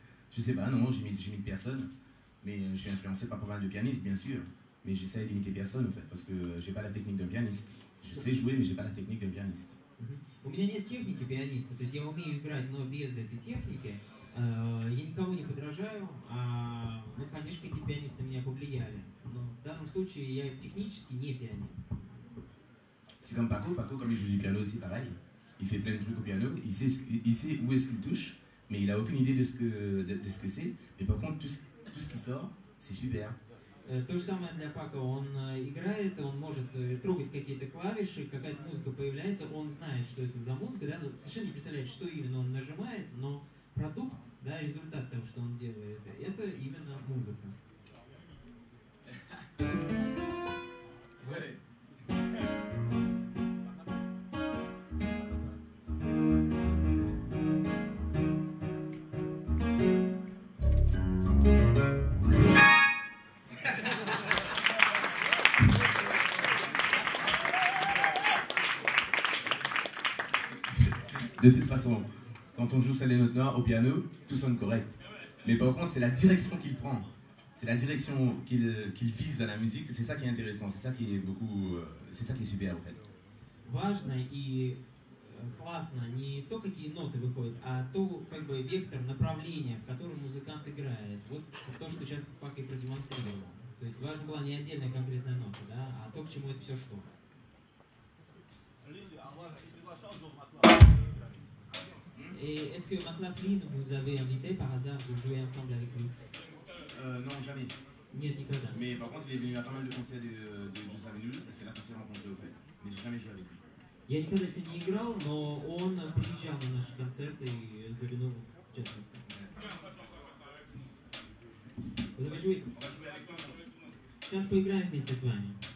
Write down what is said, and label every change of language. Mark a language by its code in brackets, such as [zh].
[fr] Je sais pas, non, j'imite personne, mais je suis influencé par pas mal de pianistes, bien sûr, mais j'essaie d'imiter personne, en fait, parce que j'ai pas la technique d'un pianiste. Je sais jouer, mais j'ai pas la technique d'un pianiste. [ru] У меня нет техники пианиста, то есть я умею играть, но без этой техники. Я никого не подражаю, ну, конечно, эти пианисты меня повлияли, но в данном случае я технически не пианист. [fr] C'est comme Paco, comme il joue du piano aussi, pareil. Il fait plein de trucs au piano, il sait où est-ce qu'il touche, mais il a aucune idée de ce que c'est. Mais par contre, tout ce qui sort, c'est super. [ru] То же самое для Пако. Он играет, он может трогать какие-то клавиши, какая-то музыка появляется, он знает, что это за музыка, да, но совершенно не представляет, что именно он нажимает, но продукт, да, результат того, что он делает, это именно музыка. [fr] De toute façon, quand on joue sur les notes noires au piano, tout sonne correct. Mais par contre, c'est la direction qu'il prend. C'est la direction qu'il vise dans la musique. C'est ça qui est intéressant. C'est ça qui est beaucoup. C'est ça qui est super, en fait. [ru] Важно и классно не то, какие ноты выходят, а то, как бы, вектор, направление, в котором музыкант играет. Вот то, что сейчас Пак и продемонстрировал. То есть важно была не отдельная конкретная нота, да, а то, к чему это все шло. [fr] Et est-ce que McLaughlin, vous avez invité par hasard de jouer ensemble avec lui? Non, jamais. Ni à Nicolas. Mais par contre, il est venu à pas mal de concerts de Joe Savinul, et c'est là qu'on s'est rencontré au fait. Mais j'ai jamais joué avec lui. [ru] Я никогда с ним не играл, но он приезжал на наши концерты и заглянул в частности. Вы давай жуй. Сейчас поиграем вместе с вами.